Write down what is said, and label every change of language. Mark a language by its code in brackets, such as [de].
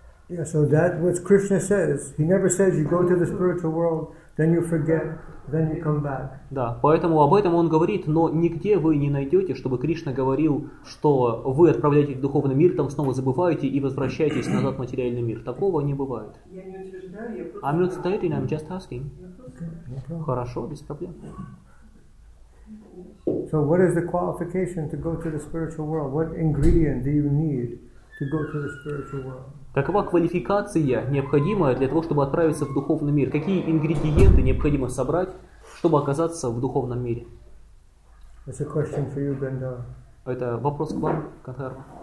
[en] Yeah, so that what Krishna says, he never says you go to the spiritual world, then you forget, then you come back. [ru] Да, поэтому об этом он говорит, но нигде вы не найдете, чтобы Кришна говорил, что вы отправляетесь в духовный мир, там снова забываете и возвращаетесь назад в материальный мир. Такого не бывает. [en] I'm not stating, I'm just asking. Okay, [ru] хорошо, без проблем. [en] So what is the qualification to go to the spiritual world? What ingredient do you need to go to the spiritual world? [ru] Какова квалификация, необходимая для того, чтобы отправиться в духовный мир? Какие ингредиенты необходимо собрать, чтобы оказаться в духовном мире? [en] That's a question for you, Gandhar. [ru] Это вопрос к вам, Гандхар.